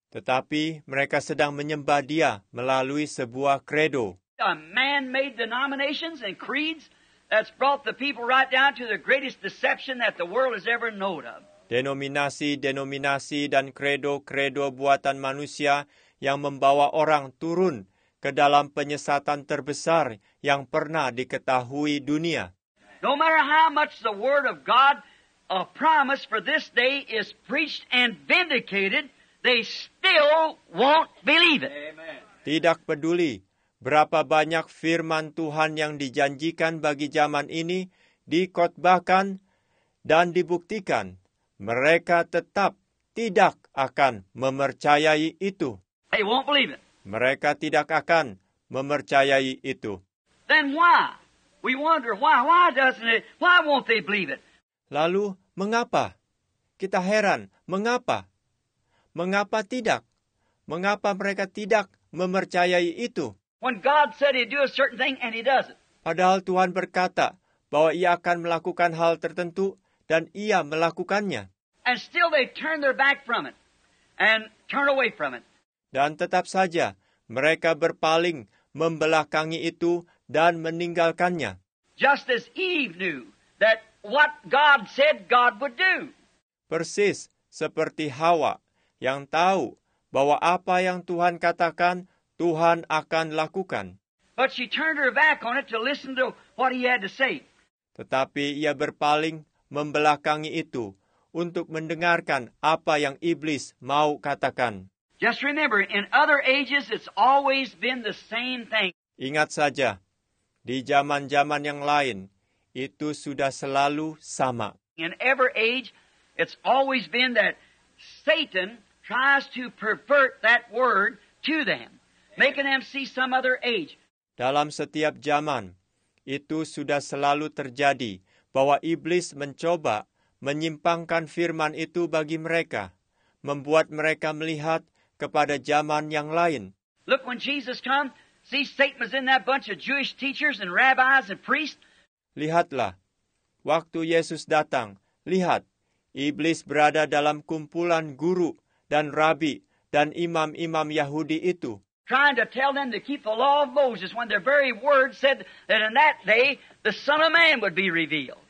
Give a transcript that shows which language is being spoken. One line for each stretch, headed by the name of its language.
Indonesian: Tetapi mereka sedang menyembah dia melalui sebuah credo.
English: A man-made denominations and creeds that's brought the people right down to the greatest deception that the world has ever known of.
Indonesian: Denominasi-denominasi dan credo-credo buatan manusia yang membawa orang turun ke dalam penyesatan terbesar yang pernah diketahui dunia.
English: No matter how much the word of God a promise for this day is preached and vindicated, they still won't believe it. Amen.
Indonesian: Tidak peduli berapa banyak firman Tuhan yang dijanjikan bagi zaman ini, dikhotbahkan dan dibuktikan, mereka tetap tidak akan mempercayai itu.
English: They won't believe it.
Indonesian: Mereka tidak akan mempercayai itu.
English: Then why? We wonder why doesn't it? Why won't they believe it?
Indonesian: Lalu mengapa? Kita heran, mengapa? Mengapa tidak? Mengapa mereka tidak mempercayai itu?
English: When God said he'd do a certain thing and he does it.
Indonesian: Padahal Tuhan berkata bahwa ia akan melakukan hal tertentu dan ia melakukannya.
English: And still they turn their back from it and turn away from it.
Indonesian: Dan tetap saja mereka berpaling, membelakangi itu dan meninggalkannya.
English: Just as Eve knew that what God said God would do.
Indonesian: Persis seperti Hawa yang tahu bahwa apa yang Tuhan katakan Tuhan akan lakukan.
English: But she turned her back on it to listen to what he had to say.
Indonesian: Tetapi ia berpaling, membelakangi itu untuk mendengarkan apa yang iblis mau katakan.
English: Just remember, in other ages it's always been the same thing.
Indonesian: Ingat saja, di zaman-zaman yang lain itu sudah selalu sama.
English: In every age it's always been that Satan tries to pervert that word to them. Making them see some other age.
Indonesian: Dalam setiap zaman, itu sudah selalu terjadi bahwa iblis mencoba menyimpangkan firman itu bagi mereka, membuat mereka melihat kepada zaman yang lain.
English: Look, when Jesus come, see Satan was in that bunch of Jewish teachers and rabbis and priests.
Indonesian: Lihatlah, waktu Yesus datang, lihat, iblis berada dalam kumpulan guru dan rabi dan imam-imam Yahudi itu.
English: Trying to tell them to keep the law of Moses when their very word said that in that day the Son of Man would be revealed.